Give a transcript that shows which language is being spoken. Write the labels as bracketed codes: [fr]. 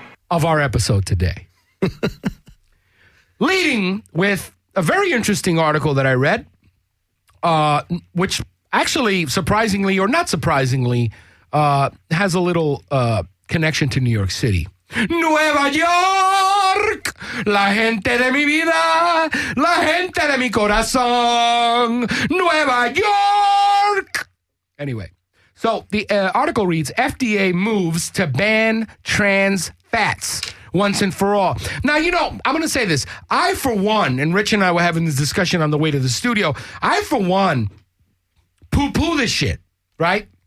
[en] Of our episode today. Leading with a very interesting article that I read, which actually, surprisingly or not surprisingly, has a little connection to New York City. [es] Nueva York, la gente de mi vida, la gente de mi corazón, Nueva York. [en] Anyway, so the article reads, FDA moves to ban trans fats once and for all. Now, you know, I'm going to say this. I, for one, and Rich and I were having this discussion on the way to the studio. I, for one, poo-poo this shit, right?